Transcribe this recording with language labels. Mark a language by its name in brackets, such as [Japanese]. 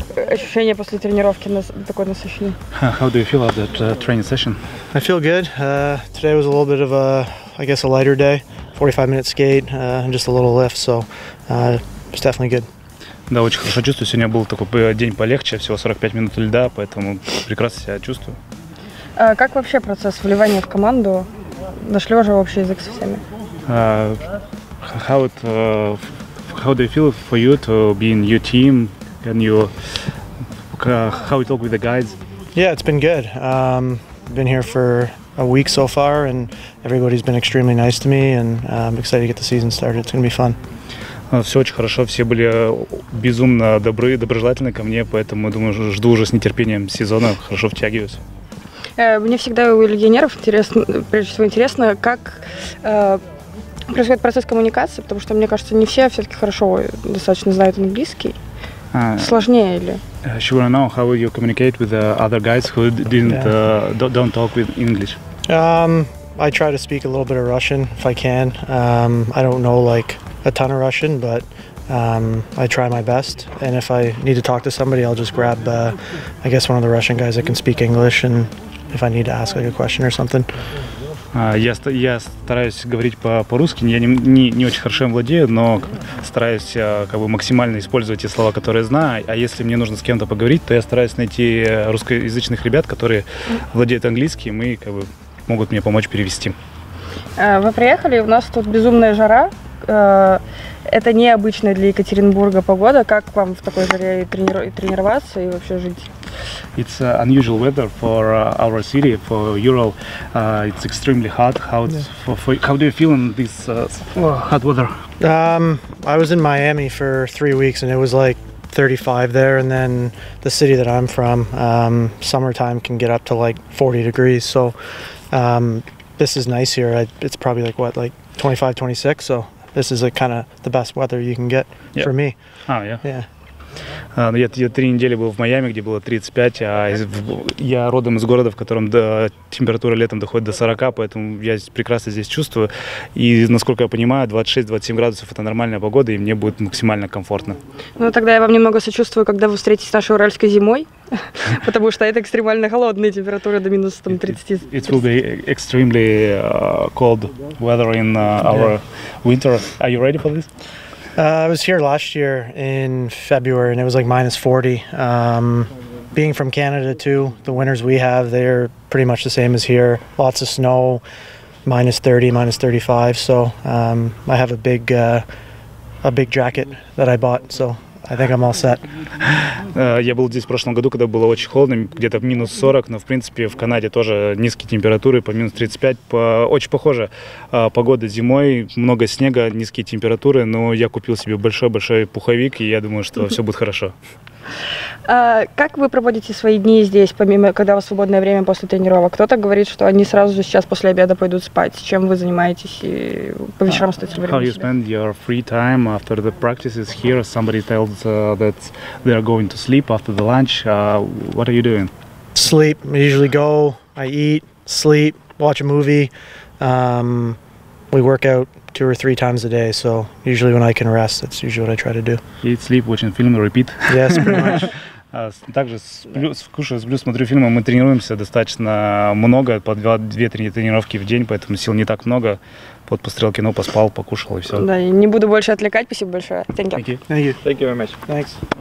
[Russian] Ощущение после тренировки такой насыщенный. [English] How do you feel after the training session? I feel good. Today was a little bit of a, I guess, a lighter day. 45 minutes skate, and just a little lift, so it's definitely good. [Russian] Да, очень хорошо чувствую. Сегодня был такой день полегче, всего 45 минут льда, поэтому прекрасно себя чувствую. Как вообще процесс вливания в команду? Нашли уже общий язык со всеми? [English] How do you feel for you to be in your team? Can you how we talk with the guides? Yeah, it's been good. Been here for a week so far, and everybody's been extremely nice to me, and I'm excited to get the season started. It's going to be fun. [Russian] Все очень хорошо, все были безумно добры, доброжелательны ко мне, поэтому, думаю, жду уже с нетерпением сезона, хорошо втягиваюсь. Мне всегда у легионеров интересно, прежде всего интересно, как происходит процесс коммуникации, потому что, мне кажется, не все все-таки хорошо достаточно знают английский. Сложнее или? [English] She wanna know how you communicate with the other guys who didn't don't talk with English. I try to speak a little bit of Russian if I can. I don't know like a ton of Russian, but I try my best. And if I need to talk to somebody, I'll just grab I guess one of the Russian guys that can speak English, and if I need to ask like a question or something. [Russian] Я стараюсь говорить по-русски, я не очень хорошо им владею, но стараюсь как бы максимально использовать те слова, которые знаю. А если мне нужно с кем-то поговорить, то я стараюсь найти русскоязычных ребят, которые владеют английским и как бы могут мне помочь перевести. Вы приехали, у нас тут безумная жара. Это необычная для Екатеринбурга погода. Как вам в такой жаре тренироваться и вообще жить? [English] It's unusual weather for our city, for Ural. It's extremely hot. How do you feel in this hot weather? I was in Miami for 3 weeks and it was like 35 there, and then the city that I'm from, summertime can get up to like 40 degrees. So this is nice here. It's probably like what, like 25-26, so this is a kind of the best weather you can get for me. [Russian] Я 3 недели был в Майами, где было 35, а я родом из города, в котором температура летом доходит до 40, поэтому я прекрасно здесь чувствую. И, насколько я понимаю, 26-27 градусов – это нормальная погода, и мне будет максимально комфортно. Ну, тогда я вам немного сочувствую, когда вы встретитесь с нашей уральской зимой, потому что это экстремально холодные температуры до минус 30. [English] It will be extremely cold weather in our winter. Are you ready for this? I was here last year in February, and it was like minus 40. Being from Canada too, the winters we have, they're pretty much the same as here. Lots of snow, minus 30, minus 35. So I have a big jacket that I bought. So I think I'm all set. [Russian] Я был здесь в прошлом году, когда было очень холодно, где-то минус 40, но в принципе в Канаде тоже низкие температуры, по минус 35, очень похоже. Погода зимой, много снега, низкие температуры, но я купил себе большой-большой пуховик, и я думаю, что все будет хорошо. Как вы проводите свои дни здесь, помимо, когда у вас свободное время после тренировок? Кто-то говорит, что они сразу же сейчас после обеда пойдут спать. Чем вы занимаетесь и по вечерам стоите время? [English] How you spend your free time after the practices here? Somebody tells that they are going to sleep after the lunch. What are you doing? Sleep. I usually go. I eat. Sleep. Watch a movie. We work out two or three times a day, so usually when I can rest, that's usually what I try to do. Eat, sleep, watching film, repeat. Yes, pretty much. [Russian] Также сплю, смотрю фильмы. Мы тренируемся достаточно много, по 2-3 тренировки в день, поэтому сил не так много. Вот пострел кино, поспал, покушал и все. Да, и не буду больше отвлекать. Спасибо большое. [English] Thank you. Thank you. Thank you. Thank you very much. Thanks.